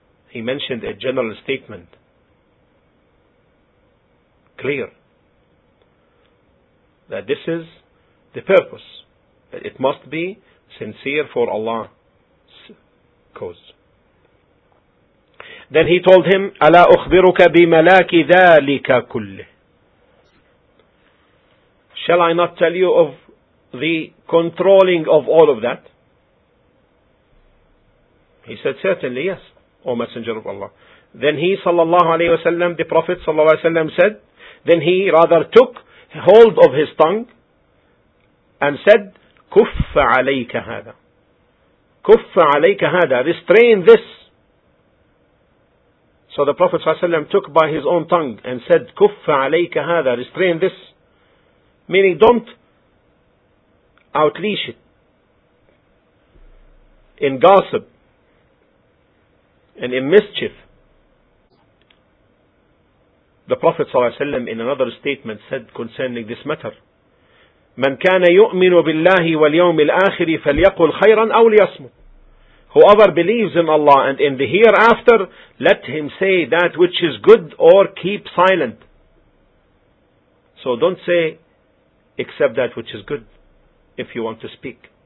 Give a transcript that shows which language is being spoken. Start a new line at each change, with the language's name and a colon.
English: He mentioned a general statement. Clear. That this is the purpose. That it must be sincere for Allah's cause. Then he told him,
Arabic: أَلَا أُخْبِرُكَ بِمَلَاكِ ذَٰلِكَ كُلِّهِ.
English: Shall I not tell you of the controlling of all of that? He said, certainly yes, O Messenger of Allah. Then he, sallallahu alayhi wa sallam, the Prophet, sallallahu alayhi wa sallam, said, then he rather took hold of his tongue and said,
Arabic: كُفَّ عَلَيْكَ هَذَا. كُفَّ عَلَيْكَ هَذَا.
English: Restrain this. So the Prophet, sallallahu alayhi wa sallam, took by his own tongue and said,
Arabic: كُفَّ عَلَيْكَ هَذَا.
English: Restrain this. Meaning, don't outleash it in gossip and in mischief. The Prophet ﷺ in another statement said concerning this matter,
Arabic: من كان يؤمن بالله واليوم الآخر فليقل خيرا أو ليصمت.
English: Whoever believes in Allah and in the hereafter, let him say that which is good or keep silent. So don't say except that which is good if you want to speak.